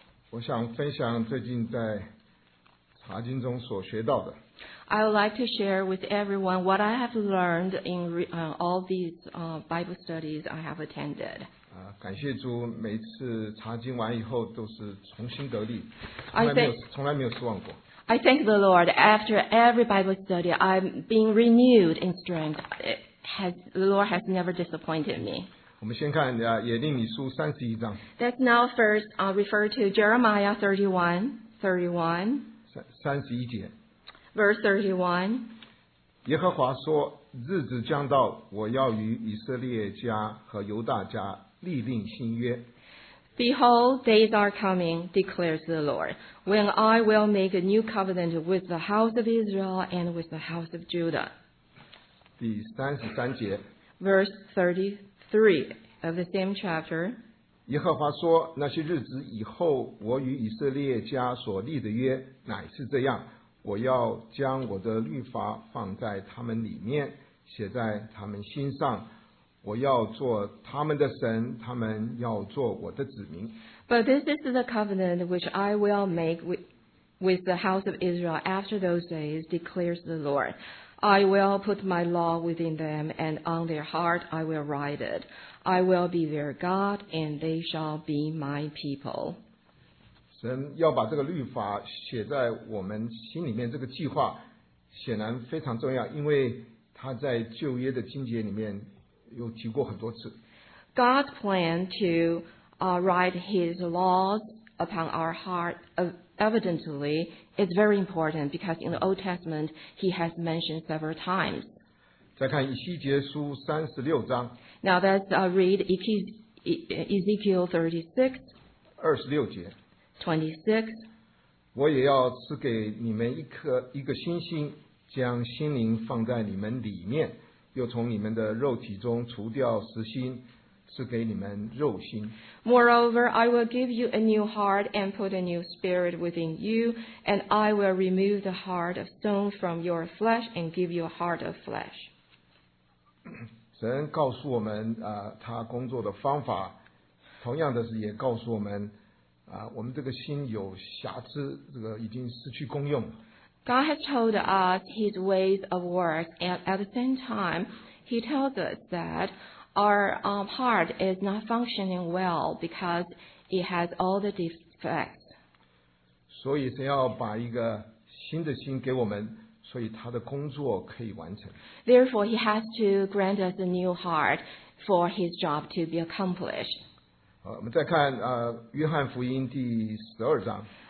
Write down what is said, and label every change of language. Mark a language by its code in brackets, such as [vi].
[zh] 我想分享最近在查经中所学到的。 [en] I would like to share with everyone what I have learned in all these Bible studies I have attended. [zh] 感谢主，每次查经完以后都是重新得力，从来没有失望过。 [en] I thank the Lord. After every Bible study, I'm being renewed in strength. The Lord has never disappointed me. [zh] 我们先看耶利米书三十一章。 [en] Let's now first refer to Jeremiah 31:31. [zh] 31节。 [en] Verse 31. [zh] 耶和华说：“日子将到，我要与以色列家和犹大家立定新约。” [en] Behold, days are coming, declares the Lord, when I will make a new covenant with the house of Israel and with the house of Judah. [zh] 第三十三节。 [en] Verse 33 of the same chapter. [zh] 耶和华说，那些日子以后，我与以色列家所立的约乃是这样： 我要将我的律法放在他们里面，写在他们心上。我要做他们的神，他们要做我的子民。 [en] But this is the covenant which I will make with the house of Israel after those days, declares the Lord. I will put my law within them, and on their heart I will write it. I will be their God, and they shall be my people. [zh] 神要把这个律法写在我们心里面，这个计划显然非常重要，因为他在旧约的经节里面有提过很多次。 [en] God's plan to write His laws upon our heart evidently is very important because in the Old Testament He has mentioned several times. [zh] 再看以西结书三十六章。 [en] Now let's read Ezekiel 36. [zh] 二十六节。 [en] 26. [zh] 我也要赐给你们一颗一个心心，将心灵放在你们里面。又从你们的肉体中除掉石心，赐给你们肉心。 [en] Moreover, I will give you a new heart and put a new spirit within you, and I will remove the heart of stone from your flesh and give you a heart of flesh. [zh] 神告诉我们他工作的方法，同样的是也告诉我们我们这个心有瑕疵，这个已经失去功用。 [en] God has told us His ways of work, and at the same time, He tells us that our heart is not functioning well because it has all the defects. [zh] 所以神要把一个新的心给我们，所以他的工作可以完成。 [en] Therefore, He has to grant us a new heart for His job to be accomplished. [zh] 好，我们再看约翰福音第十二章。